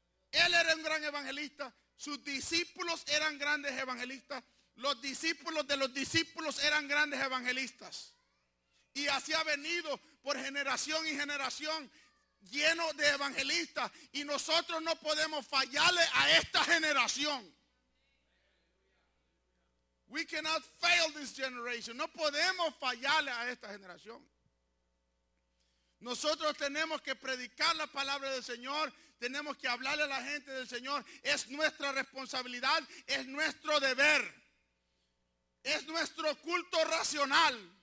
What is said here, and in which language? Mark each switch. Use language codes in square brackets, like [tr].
[es] Él era un gran evangelista. Sus discípulos eran grandes evangelistas. Los discípulos de los discípulos eran grandes evangelistas. Y así ha venido por generación y generación lleno de evangelistas. Y nosotros no podemos fallarle a esta generación. [en] We cannot fail this generation. [es] No podemos fallarle a esta generación. Nosotros tenemos que predicar la palabra del Señor. Tenemos que hablarle a la gente del Señor. Es nuestra responsabilidad. Es nuestro deber. Es nuestro culto racional.